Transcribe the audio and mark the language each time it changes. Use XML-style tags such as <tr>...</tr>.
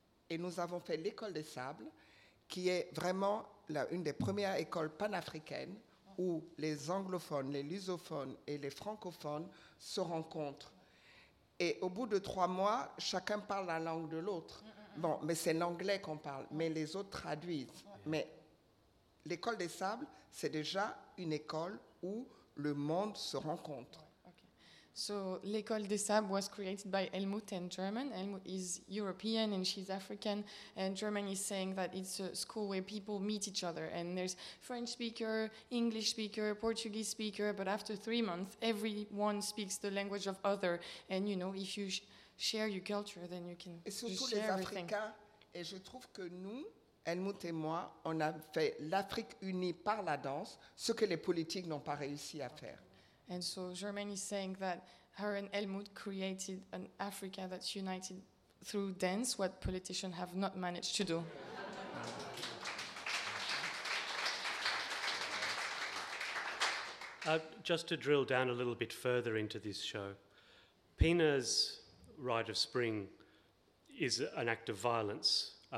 <fr>Et nous avons fait l'école des sables, qui est vraiment une des premières écoles panafricaines où les anglophones, les lusophones et les francophones se rencontrent. Et au bout de 3 mois, chacun parle la langue de l'autre. Bon, mais c'est l'anglais qu'on parle, mais les autres traduisent. Mais l'école des sables, c'est déjà une école où le monde se rencontre.</fr> <en>Okay. So, l'école des sables was created by Helmut and German. Helmut is European and she's African. And German is saying that it's a school where people meet each other. And there's French speaker, English speaker, Portuguese speaker. But after 3 months, everyone speaks the language of other. And, you know, if you share your culture, then you can just share everything.</en> <fr>Et surtout les Africains. Et je trouve que nous, Helmut et moi, on a fait l'Afrique unie par la danse, ce que les politiques n'ont pas réussi à faire.</fr> <en>And so Germaine is saying that her and Helmut created an Africa that's united through dance, what politicians have not managed to do. Mm-hmm. Just to drill down a little bit further into this show, Pina's Rite of Spring is an act of violence.</en>